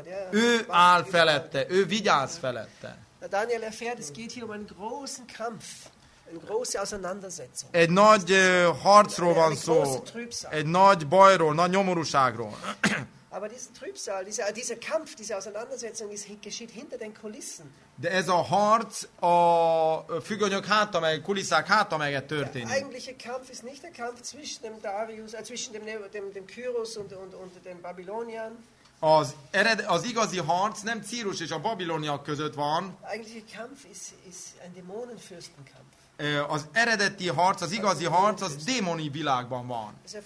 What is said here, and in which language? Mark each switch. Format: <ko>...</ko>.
<hu>Ő áll felette, ő vigyáz felette.</hu> <de>Daniel erfährt, es geht hier um einen großen Kampf, eine große Auseinandersetzung.</de> <hu>Egy nagy harcról van szó, egy nagy bajról, nagy nyomorúságról.</hu> <de>Aber diese Trübsal, dieser Kampf, diese Auseinandersetzung geschieht hinter den Kulissen.</de> <hu>De ez a harc a függönyök hátta meg, kulisszák hátta meg történik.</hu> <de>Der eigentliche Kampf ist nicht der Kampf zwischen dem Darius, zwischen dem Kyros und den Babyloniern.</de> <hu>Az igazi harc nem Círus és a Babiloniak között van.</hu> <de>Der eigentliche Kampf ist ein Dämonenfürstenkampf.</de> <hu>Az eredeti harc, az igazi harc, az démoni világban van.</hu>